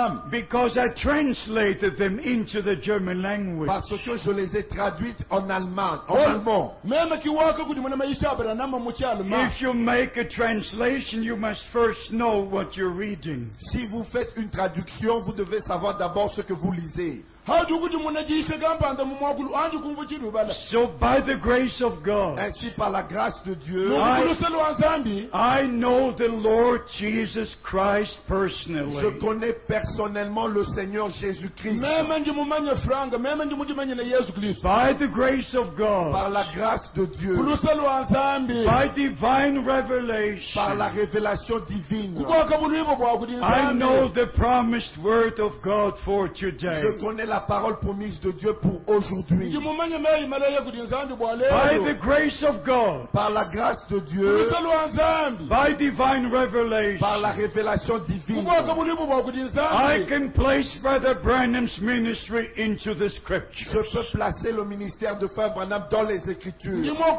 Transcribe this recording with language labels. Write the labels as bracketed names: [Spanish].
[English] Because I translated them into the German language. [French] Parce que je les ai traduites en allemand. [English] If you make a translation, you must first know know what you're reading. [French] Si vous faites une traduction, vous devez savoir d'abord ce que vous lisez. [English] So by the grace of God, [French] ainsi par la grâce de Dieu, [English] I know the Lord Jesus Christ personally. [French] Je connais personnellement le Seigneur Jésus Christ. [English] By the grace of God, [French] par la grâce de Dieu, [English] by divine revelation, [French] par la révélation divine, [English] I know the promised word of God for today. [French] Je connais la parole promise de Dieu pour aujourd'hui. [English] By the grace of God, [French] par la grâce de Dieu, [English] by divine revelation, [French] par la révélation divine, [English] I can place Brother Branham's ministry into the scriptures. [French] Je peux placer le ministère de Frère Branham dans les écritures.